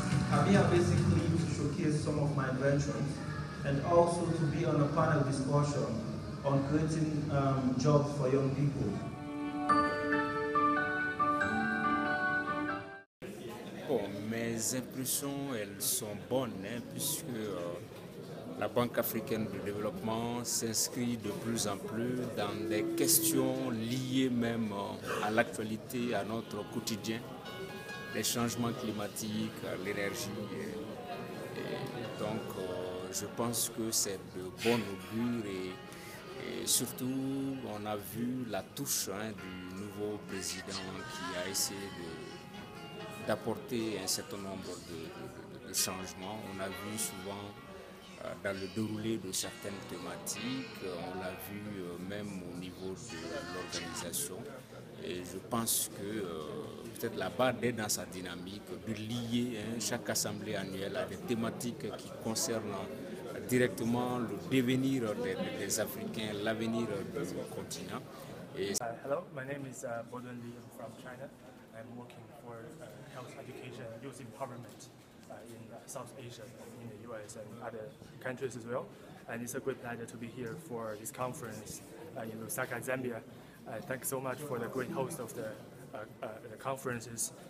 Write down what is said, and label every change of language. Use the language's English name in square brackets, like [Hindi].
[English] I'm here basically to showcase some of my inventions and also to be on a panel discussion on creating jobs for young people. [French] Mes impressions, elles sont bonnes, hein, puisque la Banque africaine de développement s'inscrit de plus en plus dans des questions liées même à l'actualité, à notre quotidien, les changements climatiques, l'énergie. Et donc, je pense que c'est de bon augure et surtout, on a vu la touche du nouveau président qui a essayé d'apporter un certain nombre de changements. On a vu souvent dans le déroulé de certaines thématiques, on l'a vu même au niveau de l'organisation. Et je pense que peut-être la BAD est dans sa dynamique de lier chaque assemblée annuelle à des thématiques qui concernent directement le devenir des Africains, l'avenir du continent. [English] Hello, my name is Bodun Li, I'm from China. I'm working for health education, youth empowerment in South Asia, in the US and other countries as well. And it's a great pleasure to be here for this conference in Lusaka, Zambia. Thanks so much for the great host of the conferences.